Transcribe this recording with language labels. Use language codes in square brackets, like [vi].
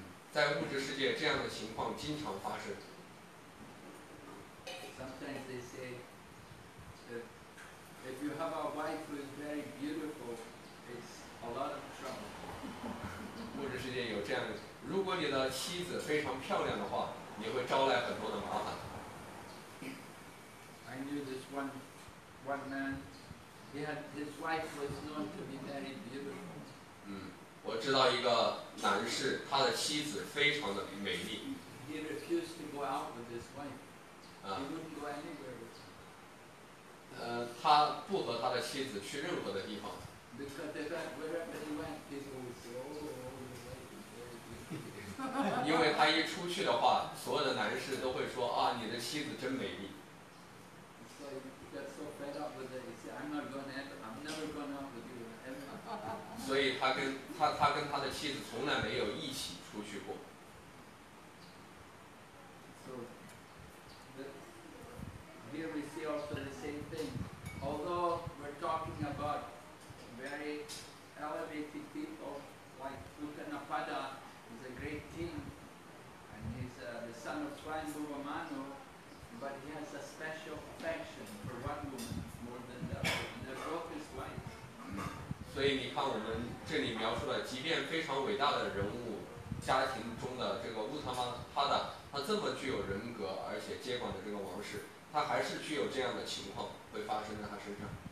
[zh] 在物质世界，这样的情况经常发生。 [en] Sometimes they say that if you have a wife who is very beautiful, it's a lot of trouble. [zh] 物质世界有这样的，如果你的妻子非常漂亮的话，你会招来很多的麻烦。 [en] I knew this one man. He had his wife was known to be very beautiful. [zh] 我知道一个男士，他的妻子非常的美丽。 [en] He refused to go out with his wife. He wouldn't go anywhere with her. [zh] 他不和他的妻子去任何的地方。 [en] Because if wherever he went, people would say, "Oh, your wife is very beautiful." [zh] 因为他一出去的话，所有的男士都会说：“啊，你的妻子真美丽。 [en] ”So he got so fed up with it. He said, "I'm not going ever. I'm never going out with you ever." [zh] 所以他跟他跟他的妻子从来没有一起出去过。 [en] So, here we see also the same thing. Although we're talking about very elevated people, like Uttanapada is a great king, and he's the son of Swayam Bhuva Manu, but he has a special affection for one woman more than the other. They're both his wife. [zh] 所以你看，我们这里描述了，即便非常伟大的人物，家庭中的这个乌特曼哈达，他这么具有人格，而且接管的这个王室，他还是具有这样的情况会发生在他身上。